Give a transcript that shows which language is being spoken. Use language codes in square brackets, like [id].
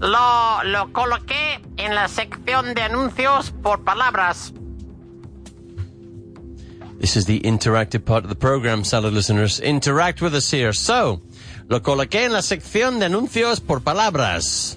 [es] Lo coloqué en la sección de anuncios por palabras. [en] This is the interactive part of the program, salad listeners. Interact with us here. [es] So, lo coloqué en la sección de anuncios por palabras.